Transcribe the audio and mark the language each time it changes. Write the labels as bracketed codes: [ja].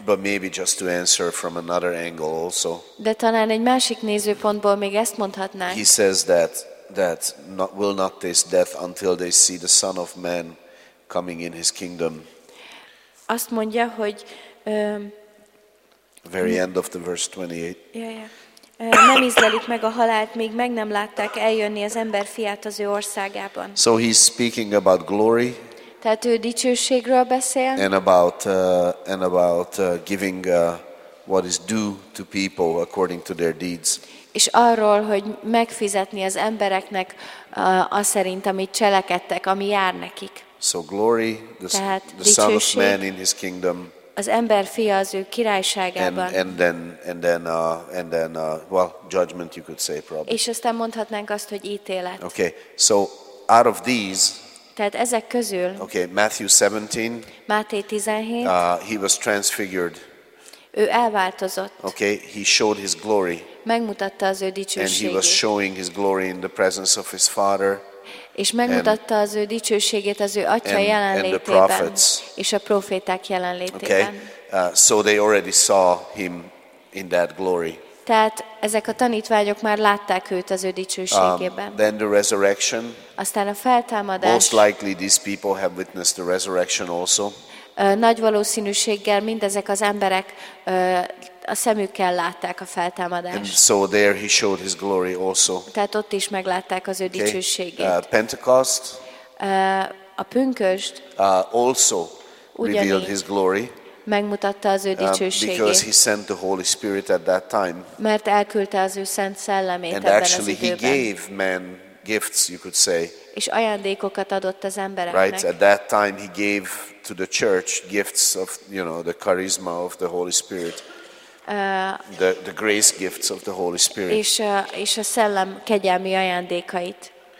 [en] But maybe just to answer from another angle also. [hu] De talán egy másik nézőpontból még ezt mondhatnánk. [en] He says that will not taste death until they see the Son of Man coming in his kingdom. [hu] Azt mondja, hogy [en] very end of the verse 28. Yeah. [hu] Nem ízlelik meg a halált, míg meg nem látták eljönni az ember fiát az ő országában. [en] So he's speaking about glory. [hu] Tehát ő dicsőségről beszél. [en] And about giving what is due to people according to their deeds. [hu] És arról, hogy megfizetni az embereknek aszerint, amit cselekedtek, ami jár nekik. [en] So glory, the Son of Man in his kingdom. [hu] Az ember fia az ő királyságában. [en] And then, judgment, you could say probably. [hu] És aztán mondhatnánk azt, hogy ítélet. [en] Okay, so out of these. [hu] Tehát ezek közül. [en] Okay, Matthew 17. [hu] Máté 17. [en] He was transfigured. [hu] Ő elváltozott. [en] Okay, he showed his glory. [hu] Megmutatta az ő dicsőségét. [en] And he was showing his glory in the presence of his father. [hu] és megmutatta az ő dicsőségét az ő atya jelenlétében és a proféták jelenlétében. [en] Okay. So they already saw him in that glory. [hu] Tehát ezek a tanítványok már látták őt az ő dicsőségében. [en] Then the resurrection. [hu] Aztán a feltámadás. [en] Most likely these people have witnessed the resurrection also. [hu] Nagy valószínűséggel mindezek az emberek a szemükkel látták a feltámadást. [en] And so there he showed his glory also. [hu] Tehát ott is meglátták az ő dicsőségét. [en] Pentecost. [hu] A pünkösd. [en] Also revealed his glory. [hu] Megmutatta az ő dicsőségét. [en] Because he sent the Holy Spirit at that time. [hu] Mert elküldte az ő Szent Szellemét [en] and [hu] ebben [en] actually [hu] az időben. [en] He gave men gifts, you could say. [hu] És ajándékokat adott az embereknek. [en] Right, at that time he gave to the church gifts of, you know, the charisma of the Holy Spirit. The grace gifts of the Holy Spirit. [hu] És a szellem kegyelmi ajándékait.